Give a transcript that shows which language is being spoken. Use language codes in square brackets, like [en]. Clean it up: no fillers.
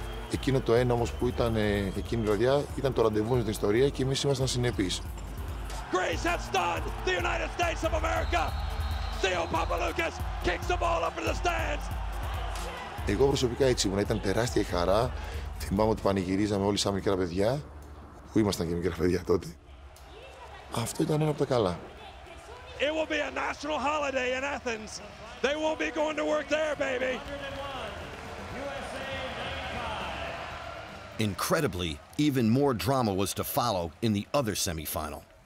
[el] Εκείνο το ένα όμως που ήταν εκείνη η βραδιά ήταν το ραντεβού με την ιστορία και εμείς ήμασταν συνεπείς. [en] Greece has stunned the United States of America. Theo Papaloukas kicks the ball up in the stands. [el] Εγώ προσωπικά έτσι ήμουν. Ήταν τεράστια η χαρά. Θυμάμαι ότι πανηγυρίζαμε όλοι σαν μικρά παιδιά. Που ήμασταν και μικρά παιδιά τότε. Αυτό ήταν ένα από τα καλά. [en] It will be a national holiday in Athens. They won't be going to work there, baby. Incredibly, even more drama was to follow in the other semifinal.